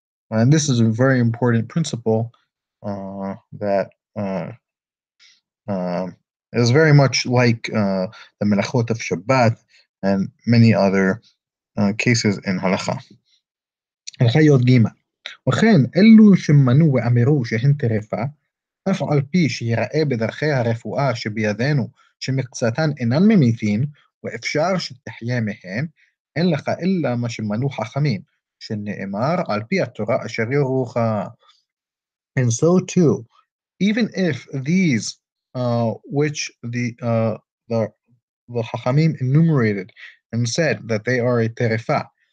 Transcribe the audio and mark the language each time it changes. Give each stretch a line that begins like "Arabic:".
English: And this is a very important principle that is very much like the Melachot of Shabbat and many other cases in Halakha.
Hebrew: Halakha Yod Gima. וכן, אלו שמנו ואמרו שהן טרפה, אף על פי שיראה בדרכי הרפואה שבידינו שמקצתן אינן ממיתין, ואפשר שתחיה מהן, אין לך אלא מה שמנו חכמים, שנאמר על פי התורה אשר ירוך.
English: And so too, even if these which the Chachamim enumerated and said that they are a terefa,